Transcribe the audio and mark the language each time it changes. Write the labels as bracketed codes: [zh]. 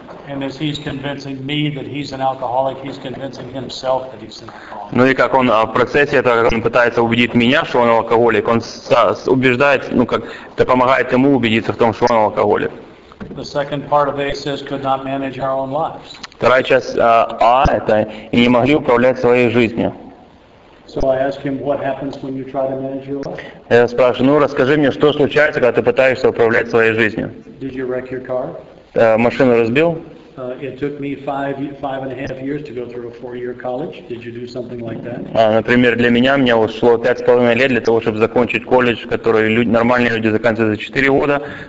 [en] And as he's convincing me that he's an alcoholic, he's convincing himself that he's an alcoholic. [ru] Ну и как он в процессе этого, как он пытается убедить меня, что он алкоголик, он убеждает, ну как, это помогает ему убедиться в том, что он алкоголик. [en] The second part of A says could not manage our own lives. [ru] Вторая часть А это и не могли управлять своей жизнью. [en] So I ask him what happens when you try to manage your life. [ru] Я спрашиваю, ну расскажи мне, что случается, когда ты пытаешься управлять своей жизнью. [en] Did you wreck your car? [ru] Машину разбил. [en] It took me five and a half years to go through a four-year college. Did you do something like that? [ru] Например, для меня мне ушло 5.5 лет для того, чтобы закончить колледж, который нормальные люди заканчивают за 4 года.